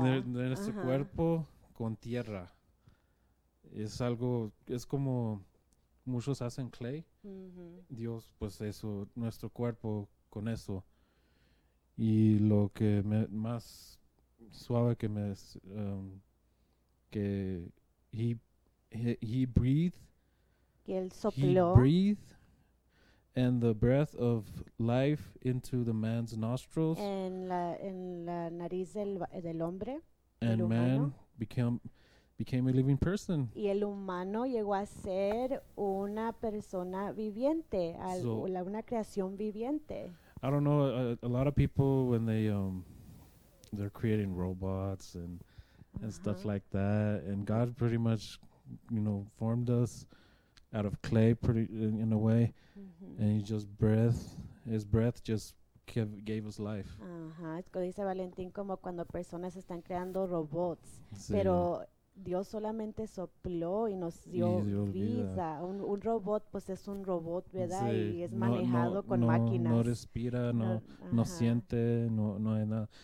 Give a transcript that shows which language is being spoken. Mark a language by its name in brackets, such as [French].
[Spanish] De nuestro cuerpo con tierra. Es algo, es como muchos hacen clay. Mm-hmm. Dios, pues eso, nuestro cuerpo con eso. Y lo que me, más suave que me es, que [English] he breathed. [Spanish] Que él sopló. [English] He breathed. And the breath of life into the man's nostrils. [Spanish] En la nariz del hombre. [English] And [Spanish] del [English] man [Spanish] humano. [English] became a living person. [Spanish] Y el humano llegó a ser una persona viviente, una creación viviente. [English] I don't know. A lot of people when they're creating robots and stuff like that, and God pretty much, you know, formed us out of clay, pretty in a way. Mm-hmm. And he just his breath just gave us life. [Spanish] Ajá, es como dice Valentín, como cuando personas están creando robots, sí. Pero Dios solamente sopló y nos dio vida. Un robot, pues es un robot, ¿verdad? Sí. Y es manejado con máquinas. No respira, no siente, no hay nada.